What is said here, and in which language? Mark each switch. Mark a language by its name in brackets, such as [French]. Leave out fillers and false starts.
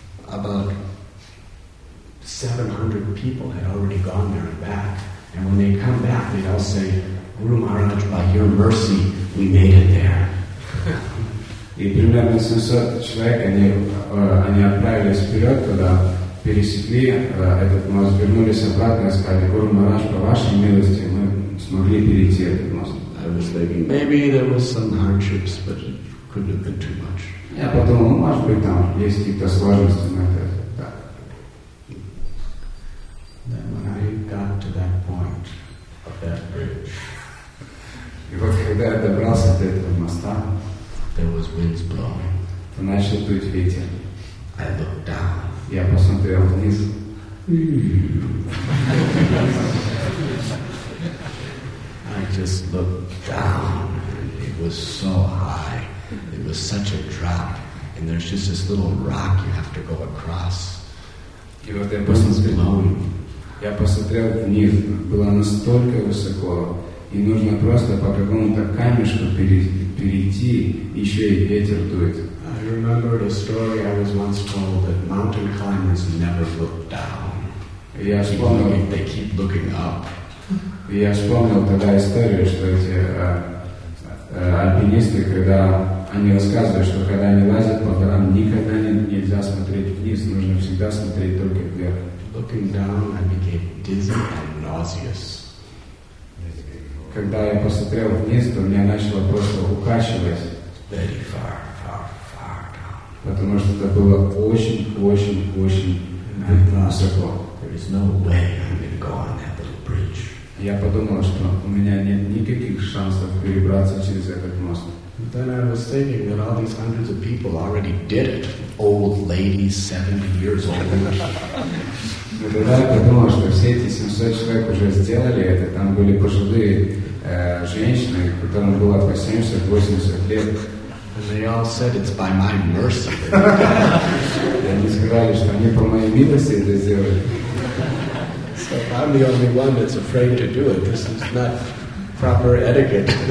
[English] About 700 people had already gone there and back. And when they come back, they'd all say, Guru Maharaj, by your mercy, we made it there. [Russian] И примерно 700 человек, они отправились вперед туда, пересекли этот мост, вернулись обратно и сказали, Гуру Махарадж, по вашей милости, мы смогли перейти этот мост. [English] I was thinking, maybe there was some hardships, but it couldn't have been too much. [Russian] Я подумал, ну, может быть, там есть какие-то сложности, но это так. [English] Then when I got to that point of that bridge, [Russian] и вот когда я добрался до этого моста, [English] there was winds blowing. [Russian] То начал дуть ветер. [English] I looked down. [Russian] Я посмотрел вниз. [English] I just looked down, and it was so high. It was such a drop, and there's just this little rock you have to go across. [Russian] И вот я посмотрел, я посмотрел вниз, было настолько высоко, и нужно просто по какому-то камешку перейти, еще и ветер дует. [English] I remembered a story I was once told that mountain climbers never look down. [Russian] Я вспомнил, [English] they keep looking up. [Russian] Я вспомнил тогда историю, что эти альпинисты, когда они рассказывают, что когда они лазят по горам, никогда нельзя смотреть вниз, нужно всегда смотреть только вверх. [English] Looking down, I became dizzy and nauseous. [Russian] Когда я посмотрел вниз, то меня начало просто укачивать. [English] Very far, far, far down. [Russian] Потому что это было очень высоко. [English] There is no way I'm going to go on that little bridge. [Russian] Я подумал, что у меня нет никаких шансов перебраться через этот мост. [English] But then I was thinking that all these hundreds of people already did it. Old ladies, 70 years old. [Russian] Тогда я подумал, что все эти 700 человек уже сделали это. Там были пожилые женщины, которым было по 70-80 лет. [English] And they all said, it's by my mercy. [Russian] Они сказали, что они по моей милости это сделали. [English] So if I'm the only one that's afraid to do it, this is not proper etiquette.